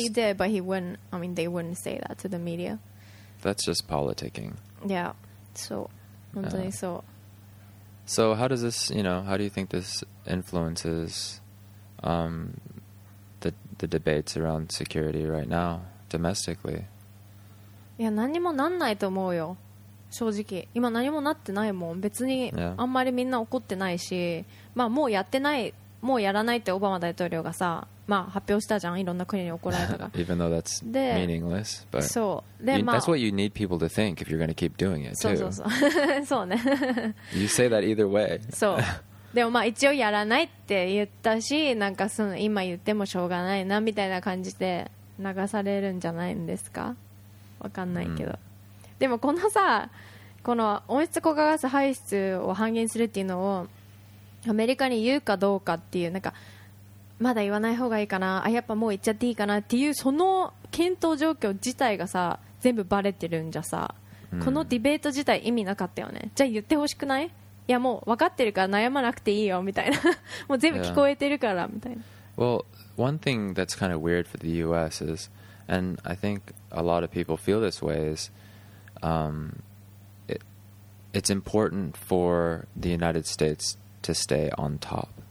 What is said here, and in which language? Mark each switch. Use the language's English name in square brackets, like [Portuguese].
[English] he did but he wouldn't, I mean they wouldn't say that to the media. That's just politicking. Yeah, so [Japanese] 本当にそう。 [English] So how does this, you know, how do you think this influences the debates around security right now domestically? [Japanese] いや何もなんないと思うよ正直今何もなってないもん別にあんまりみんな怒ってないし、 [English] yeah. [Japanese] まあもうやってないもうやらないってオバマ大統領がさまあ発表したじゃんいろんな国に怒られたが [English] even though that's meaningless but [Japanese] そうで、まあ、 [English] that's what you need people to think if you're going to keep doing it too [Japanese] そうそうそうそうね [English] you say that either way [Japanese] そうでもまあ一応やらないって言ったしなんかその今言ってもしょうがないなみたいな感じで流されるんじゃないんですかわかんないけど、うん、でもこのさこの温室効果ガス排出を半減するっていうのをアメリカに言うかどうかっていうなんかまだ言わない方がいいかなあやっぱもう言っちゃっていいかなっていうその検討状況自体がさ全部バレてるんじゃさ、うん、このディベート自体意味なかったよねじゃあ言ってほしくないいやもう分かってるから悩まなくていいよみたいなもう全部聞こえてるからみたいな、yeah. [English] Well, one thing that's kind of weird for the US is and I think a lot of people feel this way is it's important for the United States to stay on top